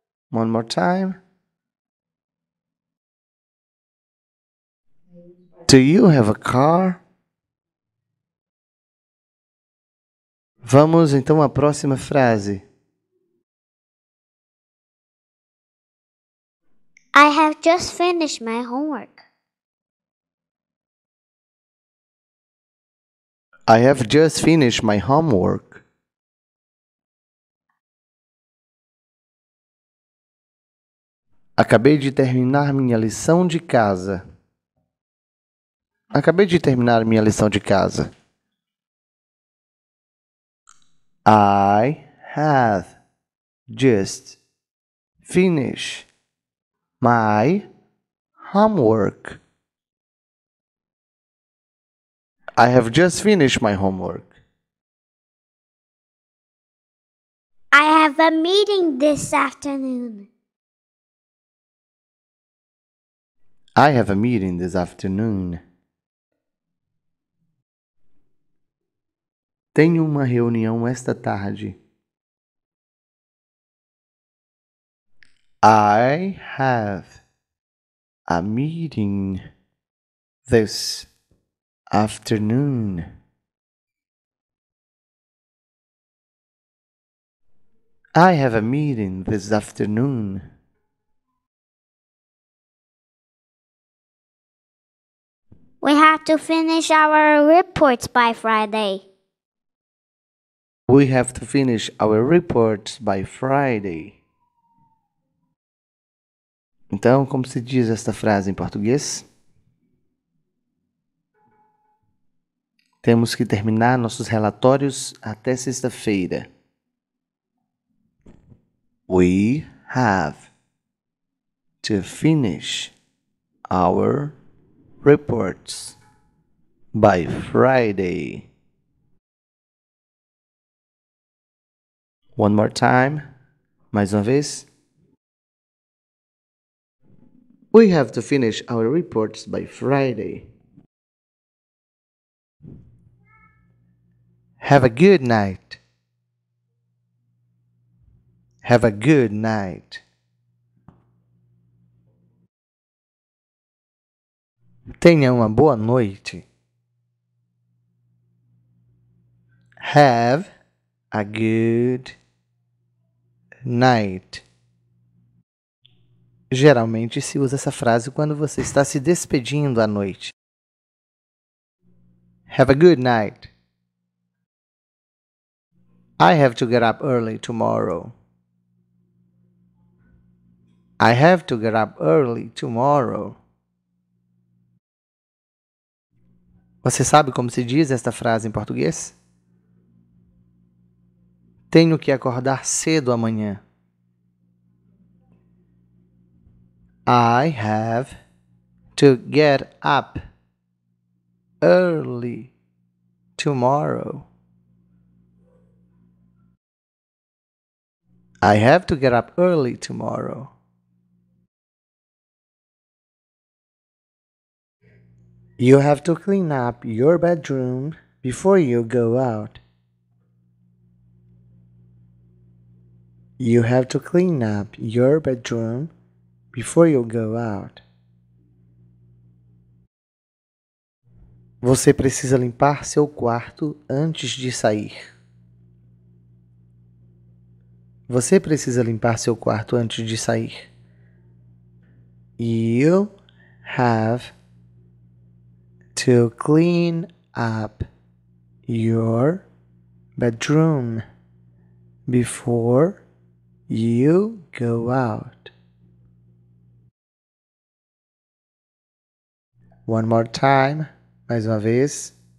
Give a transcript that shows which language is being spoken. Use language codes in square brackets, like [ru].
[en] One more time. Do you have a car? [pt] Vamos então à próxima frase. [en] I have just finished my homework. I have just finished my homework. [pt] Acabei de terminar minha lição de casa. Acabei de terminar minha lição de casa. [en] I have just finished my homework. I have just finished my homework. I have a meeting this afternoon. I have a meeting this afternoon. [pt] Tenho uma reunião esta tarde. [en] I have a meeting this afternoon. I have a meeting this afternoon. We have to finish our reports by Friday. We have to finish our reports by Friday. [pt] Então, como se diz esta frase em português? Temos que terminar nossos relatórios até sexta-feira. [en] We have to finish our reports by Friday. One more time, [pt] mais uma vez. [en] We have to finish our reports by Friday. Have a good night. Have a good night. [pt] Tenha uma boa noite. [en] Have a good night. [pt] Geralmente se usa essa frase quando você está se despedindo à noite. [en] Have a good night. I have to get up early tomorrow. I have to get up early tomorrow. [pt] Você sabe como se diz esta frase em português? Tenho que acordar cedo amanhã. [en] I have to get up early tomorrow. I have to get up early tomorrow. You have to clean up your bedroom before you go out. You have to clean up your bedroom before you go out. [pt] Você precisa limpar seu quarto antes de sair. Você precisa limpar seu quarto antes de sair. [en] You have to clean up your bedroom before you go out. One more time, [pt] mais uma vez.